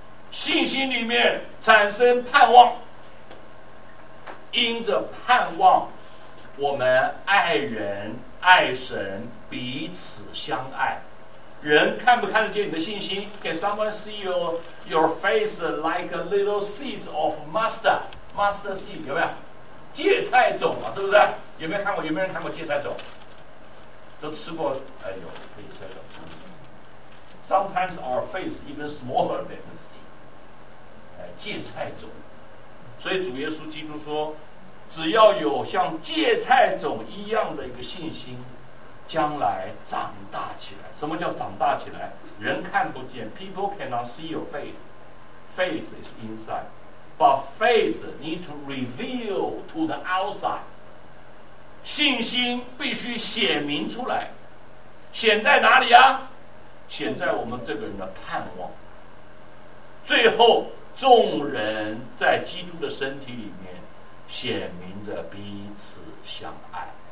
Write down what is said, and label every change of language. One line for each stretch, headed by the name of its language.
Chinese: 信心里面产生盼望，因着盼望，我们爱人、爱神，彼此相爱。人看不看得见你的信心
English: ？Can someone see your face like a little seeds of mustard? Mustard seed
Chinese: 有没有？芥菜种嘛，是不是？有没有看过？有没有人看过芥菜种？都吃过？哎呦，可以看到。
English: Sometimes our face even smaller than the seed.
Chinese: 哎，芥菜种。所以主耶稣基督说，只要有像芥菜种一样的一个信心，将来长大起来。什么叫长大起来？人看不见 ，
English: people cannot see your faith. Faith is inside, but faith needs to reveal to the outside.
Chinese: 信心必须显明出来，显在哪里啊？显在我们这个人的盼望。最后，众人在基督的身体里面，显明着彼此相爱。